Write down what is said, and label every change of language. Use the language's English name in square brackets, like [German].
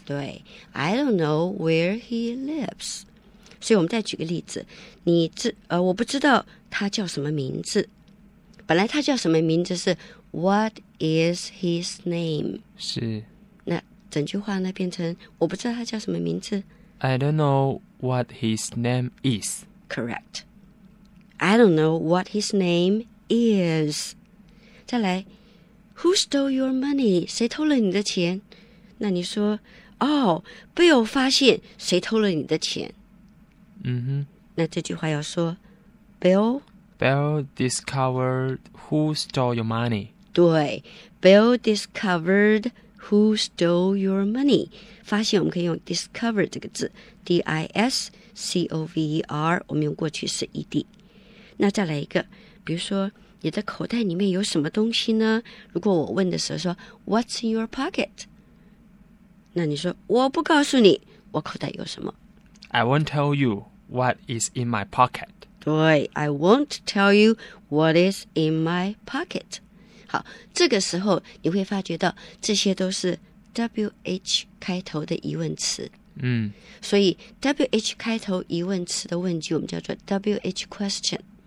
[Chinese] 对 [English] I don't know where he lives [Chinese] 所以我们再举个例子你我不知道他叫什么名字本来他叫什么名字是 [English] What is his name? [Chinese] 是。那整句话呢变成我不知道他叫什么名字。 [English] I don't know what his name is. Correct. I don't know what his name is. [Chinese] 再来 [English] Who stole your money? [Chinese] 谁偷了你的钱那你说哦被我发现谁偷了你的钱。那这句话要说 Bill [English] discovered who stole your money. [Chinese] 对 [English] ,Bill discovered who stole your money. [Chinese] 发现我们可以用 discover 这个字 ,D-I-S-C-O-V-E-R, 我们用过去式 ED。那再来一个比如说你的口袋里面有什么东西呢如果我问的时候说 , [English] What's in your pocket? [Chinese] 那你说我不告诉你我口袋有什么。 [English] I won't tell you what is in my pocket. [Chinese] 对 [English] I won't tell you what is in my pocket [Chinese] 好这个时候你会发觉到这些都是 WH 开头的疑问词所以 WH 开头疑问词的问句我们叫做 [English] WH question